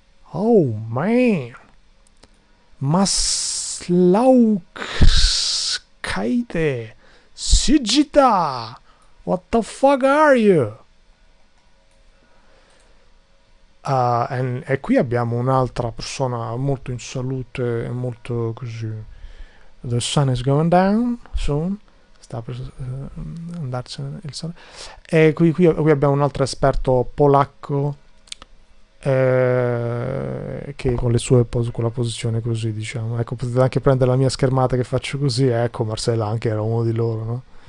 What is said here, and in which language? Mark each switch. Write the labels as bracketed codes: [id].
[en] Oh man, maslaukskaite, sigita. What the fuck are you? [it] E qui abbiamo un'altra persona molto in salute e molto così. [en] The sun is going down soon. [it] Sta per andarsene il sole. E qui abbiamo un altro esperto polacco che con le sue pos con la posizione così, diciamo. Ecco, potete anche prendere la mia schermata che faccio così. Ecco, Marcella anche era uno di loro, no?